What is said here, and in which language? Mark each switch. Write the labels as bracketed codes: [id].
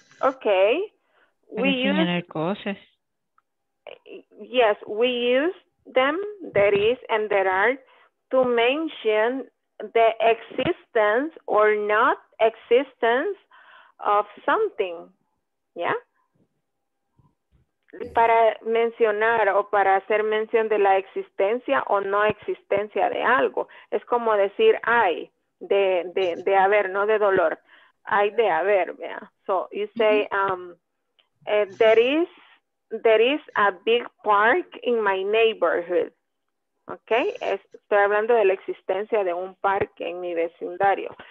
[en] Okay. We use [es] cosas. [en] Yes, we use them, there is and there are, to mention the existence or not existence of something. Yeah. [es] Para mencionar o para hacer mención de la existencia o no existencia de algo. Es como decir hay, de haber, no de dolor. Hay de haber, vea. [en] So you say, there is a big park in my neighborhood. [es] Okay, estoy hablando de la existencia de un parque en mi vecindario.